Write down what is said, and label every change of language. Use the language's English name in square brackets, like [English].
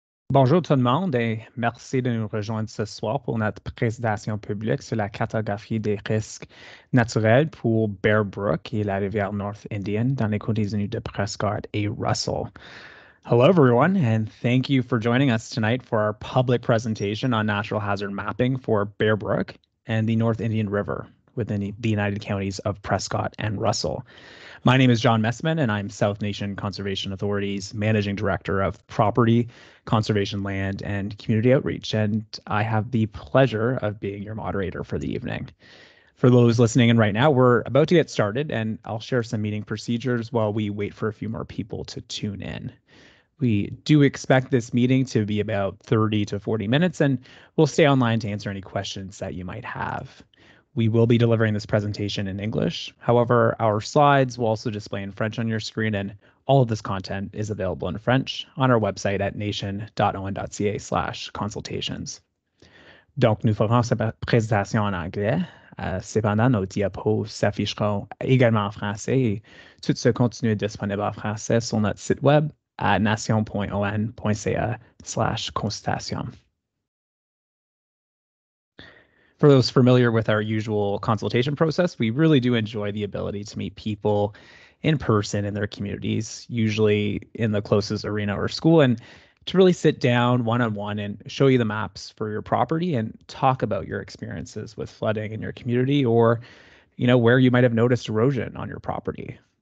[French] Bonjour tout le monde et merci de nous rejoindre ce soir pour notre présentation publique sur la cartographie des risques naturels pour Bear Brook et la rivière North Indian dans les Côtes-Unis de Prescott et Russell. [English] Hello everyone and thank you for joining us tonight for our public presentation on natural hazard mapping for Bear Brook and the North Indian River within the United Counties of Prescott and Russell. My name is John Messman, and I'm South Nation Conservation Authority's Managing Director of Property, Conservation Land, and Community Outreach, and I have the pleasure of being your moderator for the evening. For those listening in right now, we're about to get started, and I'll share some meeting procedures while we wait for a few more people to tune in. We do expect this meeting to be about 30 to 40 minutes, and we'll stay online to answer any questions that you might have. We will be delivering this presentation in English. However, our slides will also display in French on your screen, and all of this content is available in French on our website at nation.on.ca/consultations. [French] Donc, nous ferons cette présentation en anglais. Cependant, nos diapos s'afficheront également en français et tout ce contenu est disponible en français sur notre site web à nation.on.ca/consultation. [English] For those familiar with our usual consultation process, we really do enjoy the ability to meet people in person in their communities, usually in the closest arena or school, and to really sit down one-on-one and show you the maps for your property and talk about your experiences with flooding in your community or, you know, where you might have noticed erosion on your property.